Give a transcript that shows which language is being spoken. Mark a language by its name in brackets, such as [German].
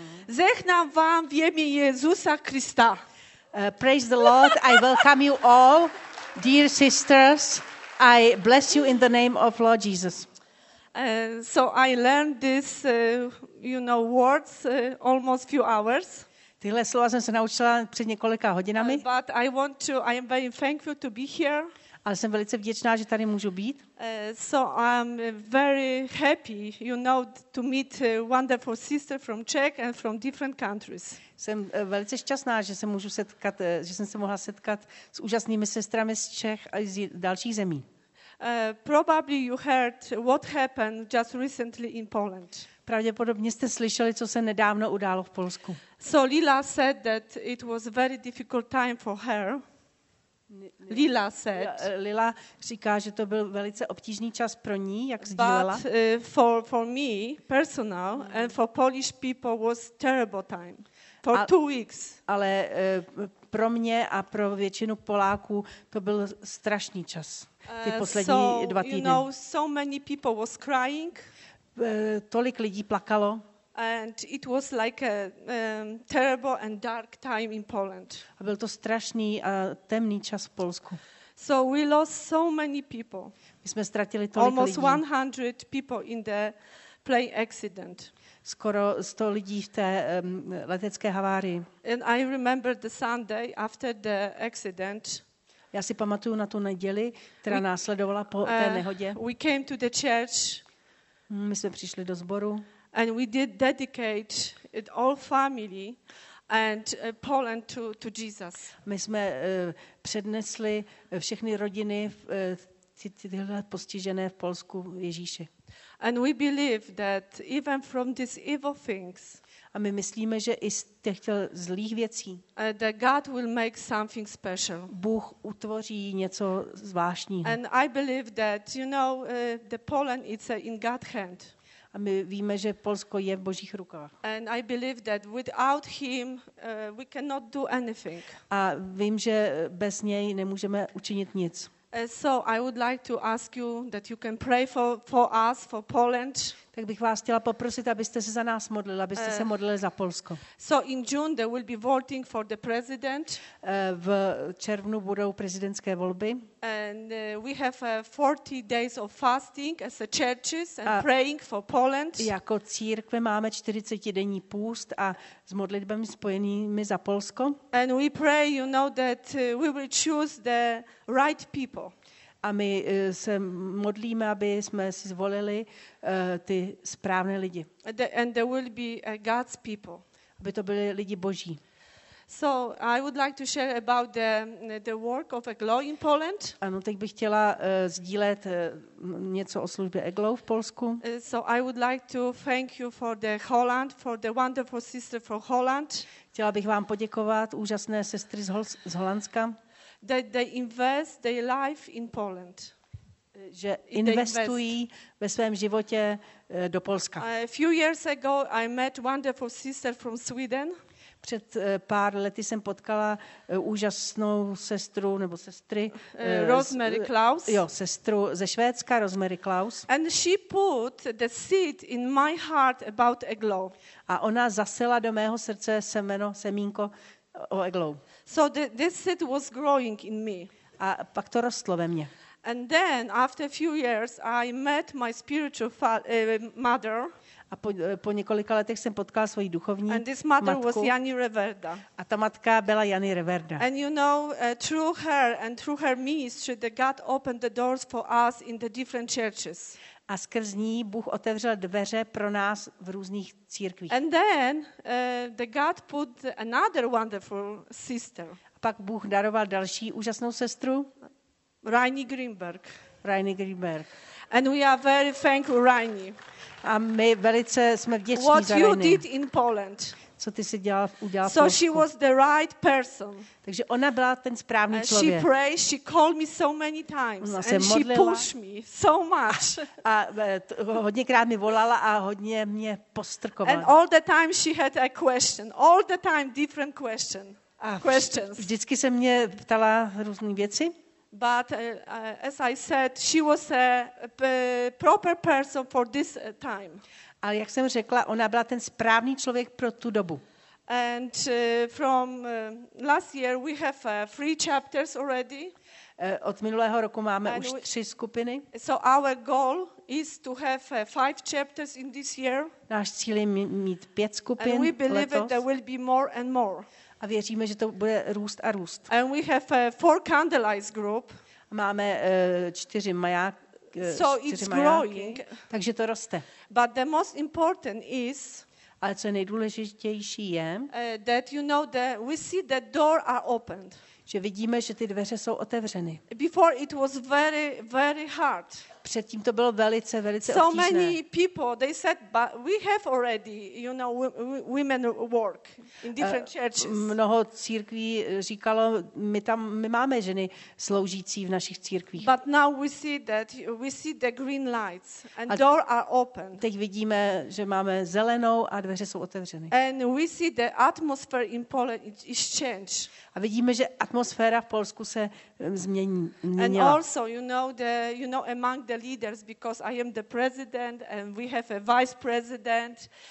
[Polish] Zechnam wam w imię Jezusa Chrystusa. [English] Praise the Lord. I welcome you all, dear sisters. I bless you in the name of Lord Jesus. So I learned this words almost few hours. [Czech] Tyhle slova jsem se naučila před několika hodinami. [English] But I am very thankful to be here. [Czech] Ale jsem velice vděčná, že tady můžu být. [English] So I'm very happy, to meet wonderful sister from Czech and from different countries. [Czech] Jsem velice šťastná, že se můžu setkat, že jsem se mohla setkat s úžasnými sestrami z Čech a z dalších zemí. [English] Probably you heard what happened just recently in Poland. [Czech] Pravděpodobně jste slyšeli, co se nedávno událo v Polsku. [English] So Lila said that it was very difficult time for her. Lila said. [Czech] Lila říká, že to byl velice obtížný čas pro ní, jak sdílela. [English] But for me personal and for Polish people was terrible time for two weeks. [Czech] Ale pro mě a pro většinu Poláků to byl strašný čas. Ty poslední dva týdny. [English] So many people was crying. [Czech] Tolik lidí plakalo. [English] And it was like a terrible and dark time in Poland. [Czech] A byl to strašný a temný čas v Polsku. [English] So we lost so many people. [Czech] My jsme ztratili tolik [English] almost [Czech] lidí. [English] Almost 100 people in the plane accident. [Czech] Skoro 100 lidí v té letecké havárii. [English] And I remember the Sunday after the accident. [Czech] Já si pamatuju na tu neděli, která následovala po té nehodě. [English] We came to the church. [Czech] My jsme přišli do sboru. [English] And we did dedicate it all family and Poland to Jesus. [Czech] My jsme přednesli všechny rodiny tyhle postižené v Polsku Ježíši. [English] And we believe that even from these evil things. [Czech] A my myslíme, že i z těch zlých věcí. [English] That God will make something special. [Czech] Bůh utvoří něco zvláštního. [English] And I believe that the Poland it's in God's hand. [Czech] A my víme, že Polsko je v Božích rukách. [English] And I believe that without him we cannot do anything. [Czech] A vím, že bez něj nemůžeme učinit nic. [English] So I would like to ask you that you can pray for us for Poland. [Czech] Tak bych vás chtěla poprosit, abyste se za nás modlili, abyste se modlili za Polsko. [English] So in June there will be voting for the president. [Czech] V červnu budou prezidentské volby. [English] And we have 40 days of fasting as a churches and praying for Poland. [Czech] Jako církve máme 40denní půst a s modlitbami spojenými za Polsko. [English] And we pray, that we will choose the right people. [Czech] A my se modlíme, aby jsme si zvolili ty správné lidi. [English] And there will be God's people. [Czech] Aby to byli lidi Boží. [English] So I would like to share about the work of EGLO in Poland. [Czech] Ano, teď bych chtěla sdílet něco o službě EGLO v Polsku. [English] So I would like to thank you for the Holland, for the wonderful sister from Holland. [Czech] Chtěla bych vám poděkovat, úžasné sestry z Holandska. [English] That they invest their life in Poland. [Czech] Že investují ve svém životě do Polska. [English] A few years ago I met wonderful sister from Sweden. [Czech] Před pár lety jsem potkala úžasnou sestru nebo sestry [English] Rosemary Klaus. [Czech] Jo, sestru ze Švédska Rosemary Klaus. [English] And she put the seed in my heart about EGLO. [Czech] A ona zasela do mého srdce semínko o EGLO. [English] So this seed was growing in me. [Czech] A pak to rostlo ve mně. [English] And then after a few years I met my spiritual mother. [Czech] A po několika letech jsem potkala svoji duchovní matku. [English] And this mother [Czech] matku. [English] Was Jani Reverda. [Czech] A ta matka byla Jani Reverda. [English] And through her and through her ministry that God opened the doors for us in the different churches. [Czech] A skrz ní Bůh otevřel dveře pro nás v různých církvích. [English] And then the God put another wonderful sister. [Czech] A pak Bůh daroval další úžasnou sestru. [English] Reini Greenberg. And we are very thankful, Reini. [Czech] A my velice jsme vděční za [English] Reini. What you did in Poland. [Czech] Co ty jsi udělal v Polsku. [English] So she was the right person. [Czech] Takže ona byla ten správný člověk. [English] She prayed, she called me so many times. [Czech] Ona [English] and [Czech] se modlila. [English] She pushed me so much. [Czech] A hodněkrát mi volala a hodně mě postrkovala. [English] And all the time she had a question. All the time different questions. [Czech] Vždycky se mě ptala různý věci. [English] But as I said, she was a proper person for this time. [Czech] Ale jak jsem řekla, ona byla ten správný člověk pro tu dobu. [English] And from last year we have three chapters already. [Czech] Od minulého roku máme už tři skupiny. [English] So our goal is to have five chapters in this year. [Czech] Náš cíl je mít pět skupin. [English] And we believe [Czech] letos. [English] That there will be more and more. [Czech] A věříme, že to bude růst a růst. [English] And we have four candlelight group. [Czech] Máme čtyři majáky. [English] So it's [Czech] majáky, [English] growing. [Czech] Takže to roste. [English] But the most important is. [Czech] Ale co nejdůležitější je. [English] That you know that we see the door are opened. [Czech] Že vidíme, že ty dveře jsou otevřeny. [English] Before it was very, very hard. [Czech] Předtím to bylo velice, velice [English] so [Czech] obtížné. [English] So many people they said, but we have already, you know, women work in different churches. [Czech] Mnoho církví říkalo, my máme ženy sloužící v našich církvích. [English] But now we see that we see the green lights and door are open. [Czech] Teď vidíme, že máme zelenou a dveře jsou otevřeny. [English] And we see the atmosphere in Poland is changed. [Czech] A vidíme, že atmosféra v Polsku se změní. [English] And also, you know among the leaders, because I am the president and we have a vice president.